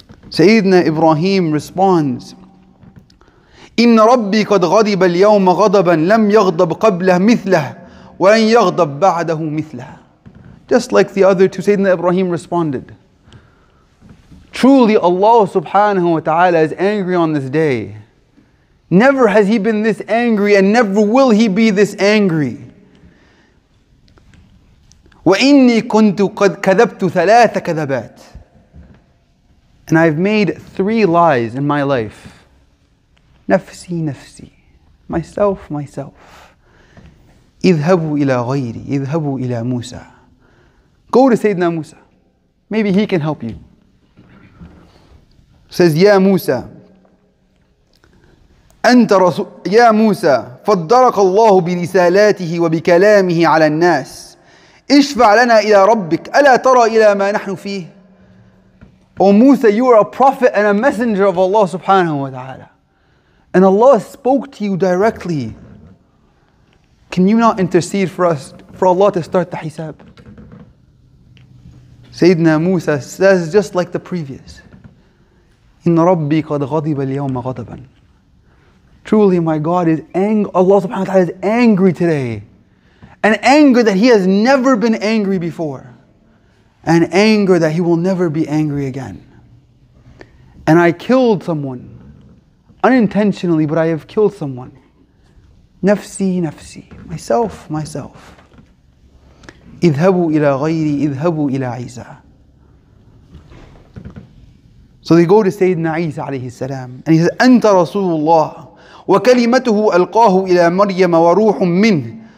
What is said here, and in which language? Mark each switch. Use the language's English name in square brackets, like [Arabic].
[English] Sayyidina Ibrahim responds, [Arabic] إِنَّ رَبِّي قَدْ غَضِبَ الْيَوْمَ غَضَبًا لَمْ يَغْضَبْ قَبْلَهُ مِثْلَهُ وَأَنْ يَغْضَبْ بَعْدَهُ مِثْلَهُ. [English] Just like the other two, Sayyidina Ibrahim responded. Truly Allah subhanahu wa ta'ala is angry on this day. Never has he been this angry and never will he be this angry. [Arabic] وَإِنِّي كُنْتُ قَدْ كَذَبْتُ ثَلَاثَ كَذَبَاتٍ [English] And I've made three lies in my life. [Arabic] نَفْسِي نَفْسِي. [English] Myself. [Arabic] اذهبوا إلى غيري اذهبوا إلى موسى. [English] Go to Sayyidina Musa. Maybe he can help you. [Arabic] Says يا موسى أنت رسول يا موسى فضرق الله برسالاته وبكلامه على الناس اشفع لنا إلى ربك ألا ترى إلى ما نحن فيه. [English] O Musa, you are a prophet and a messenger of Allah subhanahu wa ta'ala. And Allah spoke to you directly. Can you not intercede for us, for Allah to start the hisab? Sayyidina Musa says just like the previous, [Arabic] إِنَّ رَبِّي قَدْ غَضِبَ الْيَوْمَ غَضَبًا [English] Truly my God is angry, Allah subhanahu wa ta'ala is angry today. An anger that he has never been angry before. An anger that he will never be angry again. And I killed someone. unintentionally, but I have killed someone. [Arabic] نفسي نفسي. [English] Myself, myself. [Arabic] اذهبوا إلى غيري, اذهبوا إلى عيسى. [English] So they go to Sayyidina Isa alayhi salam. And he says, [Arabic] أنت رسول الله. وكلمته ألقاه إلى مريم وروح منه.